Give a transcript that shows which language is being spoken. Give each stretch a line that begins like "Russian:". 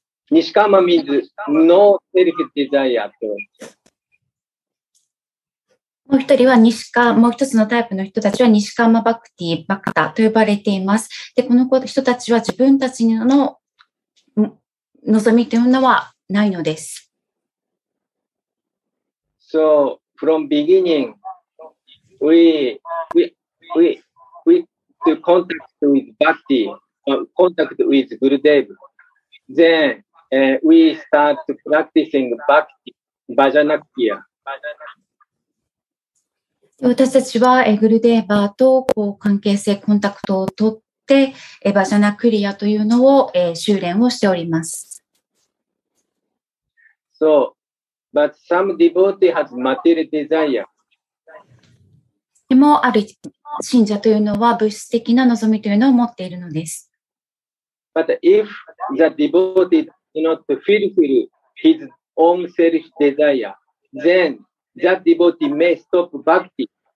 English: ニシカマ means no selfish desire.
Japanese: もう一人はニシカ、もう一つのタイプの人たちはニシカマバクティ、バクタと呼ばれています。で、この人たちは自分たちの望みというのはないのです。
English: So, from beginning, we to contact with Bhakti, contact with Gurudev, then,we start practicing bhakti, bhajana kriya.
Japanese: 私たちは、グルデーバーとこう関係性、コンタクトを取って、バジャナクリアというのを、修練をしております。
English: So, but some devotee has material desire.
Japanese: でも、ある信者というのは物質的な望みというのを持っているのです。
English: But if the devotee not fulfill his own selfish desire, then that devotee may stop bhakti.